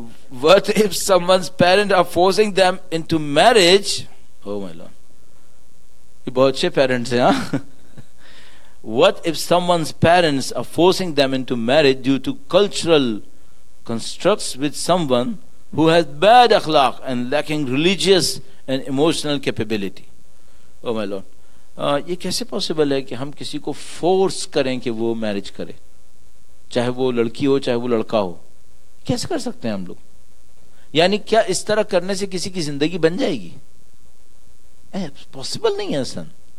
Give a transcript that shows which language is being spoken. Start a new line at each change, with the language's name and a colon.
English: What if someone's parents are forcing them into marriage? Oh my lord,
Hindi: ये बहुत अच्छे parents हैं।
English: What if someone's parents are forcing them into marriage due to cultural constructs with someone who has bad akhlaq and lacking religious and emotional capability? Oh my lord,
Hindi: ये कैसे possible है कि हम किसी को फोर्स करें कि वो मैरिज करे, चाहे वो लड़की हो चाहे वो लड़का हो, कैसे कर सकते हैं हम लोग? यानी क्या इस तरह करने से किसी की जिंदगी बन जाएगी? पॉसिबल नहीं है सन।